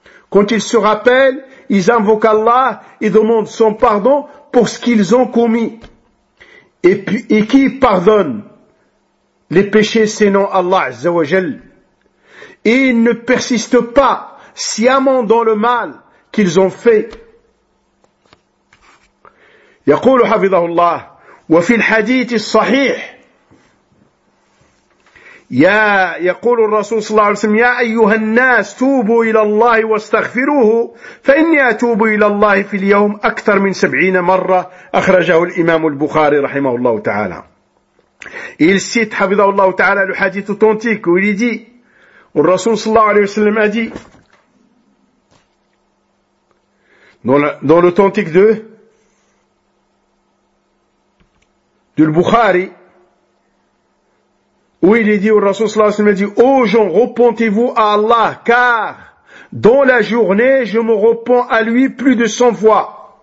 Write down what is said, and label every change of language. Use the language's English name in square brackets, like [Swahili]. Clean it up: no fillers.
[French] Quand ils se rappellent, ils invoquent Allah et demandent son pardon pour ce qu'ils ont commis. Et qui pardonne les péchés, c'est non Allah Azza wa Jal. Et ils ne persistent pas sciemment dans le mal qu'ils ont fait. [Arabic] يقول حفظه الله وفي الحديث الصحيح يا يقول الرسول صلى الله عليه وسلم يا أيها الناس توبوا إلى الله واستغفروه فإني أتوب إلى الله في اليوم أكثر من 70 مرة أخرجه الإمام البخاري رحمه الله تعالى. [French] Il cite, Habibullah Ta'ala, le hadith authentique où il dit, où le Rasoul sallallahu alayhi wa sallam a dit, dans l'authentique de Bukhari, où il dit, où le Rasoul sallallahu alayhi wa sallam a dit, ô gens, repentez-vous à Allah, car dans la journée, je me repens à lui plus de 100 fois.